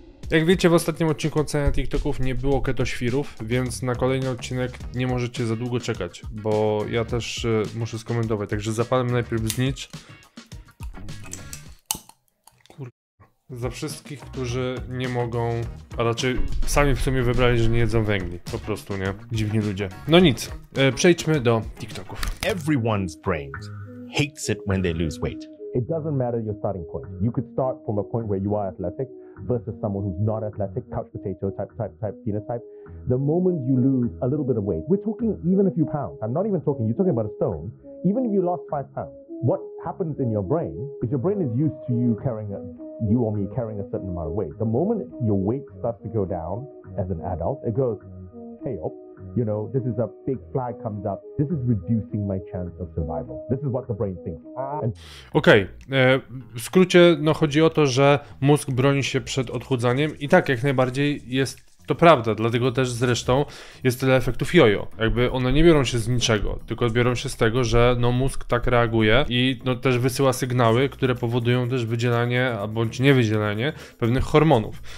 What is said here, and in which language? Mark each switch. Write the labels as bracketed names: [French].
[Polish] Jak wiecie, w ostatnim odcinku oceny TikToków nie było ketoświrów, więc na kolejny odcinek nie możecie za długo czekać, bo ja też muszę skomentować, także zapalam najpierw znicz. Za wszystkich, którzy nie mogą, a raczej sami w sumie wybrali, że nie jedzą węgli. Po prostu, nie? Dziwni ludzie. No nic, przejdźmy do TikToków. [English] Everyone's brain hates it when they lose weight. It doesn't matter your starting point. You could start from a point where you are athletic versus someone who's not athletic, couch potato type phenotype. The moment you lose a little bit of weight, we're talking even a few pounds. I'm not even talking, you're talking about a stone. Even if you lost 5 pounds, what happens in your brain is your brain is used to you carrying a... you or me carrying a certain amount of weight. The moment your weight starts to go down as an adult, it goes, hey, oh, you know, this is a big flag comes up. This is reducing my chance of survival. This is what the brain thinks. [Polish] Okej, w skrócie, no chodzi o to, że mózg broni się przed odchudzaniem i tak, jak najbardziej jest to prawda, dlatego też zresztą jest tyle efektów jojo. Jakby one nie biorą się z niczego, tylko biorą się z tego, że no mózg tak reaguje i no też wysyła sygnały, które powodują też wydzielanie, a bądź niewydzielanie pewnych hormonów.